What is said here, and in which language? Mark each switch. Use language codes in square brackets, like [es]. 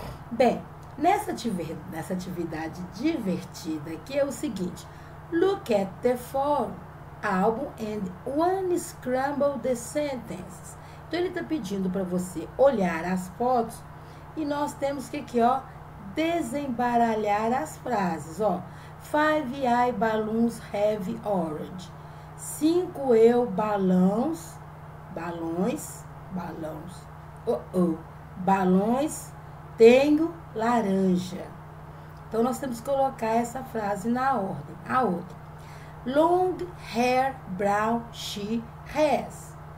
[pt] Bem, nessa atividade divertida aqui é o seguinte: [en] Look at the four album and one scramble the sentences. [pt] Então ele está pedindo para você olhar as fotos e nós temos que aqui, ó, desembaralhar as frases. [en] Ó, five I balloons have orange. [pt] Cinco eu balões, balões, balões. Oh. Balões, tenho laranja. Então nós temos que colocar essa frase na ordem. A outra: [en] Long hair brown she has.